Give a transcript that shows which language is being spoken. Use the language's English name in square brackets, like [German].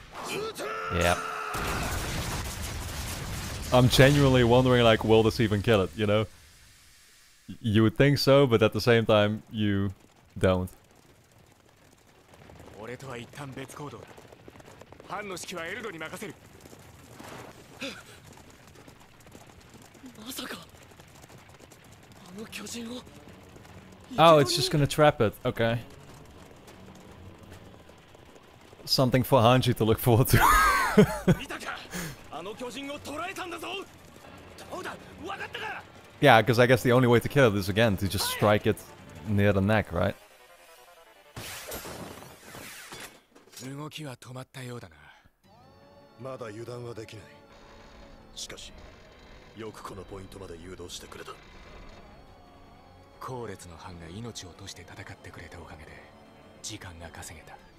[English] Yep. I'm genuinely wondering, like, will this even kill it, you know? You would think so, but at the same time, you don't. [Japanese] 俺とは一旦別行動だ。ハンの指揮はエルドに任せる。まさか、あの巨人を。 [English] Oh, it's just gonna trap it. Okay. Something for Hanji to look forward to. [Japanese] 見たか、あの巨人を捕らえたんだぞ。どうだ、分かったか。 [English] Yeah, because I guess the only way to kill it is again to just strike it near the neck, right? [Japanese] 動きは止まったようだな。まだ油断はできない。しかし、よくこのポイントまで誘導してくれた。後列の班が命を落として戦ってくれたおかげで時間が稼げた。